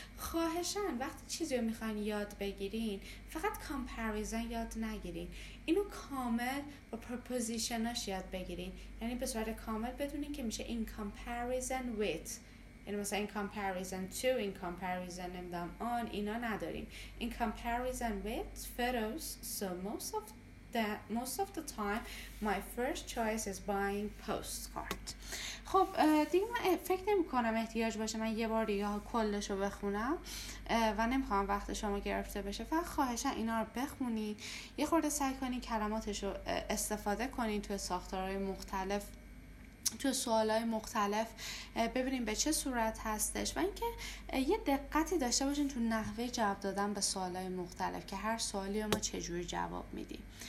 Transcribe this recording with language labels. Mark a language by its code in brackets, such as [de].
[fa] خواهشن وقتی چیزی رو میخواین یاد بگیرین فقط comparison یاد نگیرین، اینو کامل با پروپوزیشناش یاد بگیرین، یعنی به صورت کامل بدونین که میشه [en] in comparison with، [fa] یعنی مثلا [en] in comparison to، [fa] in comparison نمیدونم on، اینا نداریم. [en] In comparison with photos, so most of the time my first choice is buying postcard. [fa] خب دیگه من فکر نمی کنم احتیاج باشه من یه بار دیگه کلش رو بخونم و نمیخوام وقت شما گرفته بشه، فقط خواهشن اینا رو بخونید، یه خورده سعی کنید کلماتش رو استفاده کنید توی ساختارهای مختلف، تو سوالای مختلف ببینیم به چه صورت هستش، و اینکه یه دقتی داشته باشین تو نحوه جواب دادن به سوالای مختلف که هر سوالی ما چجوری جواب میدیم.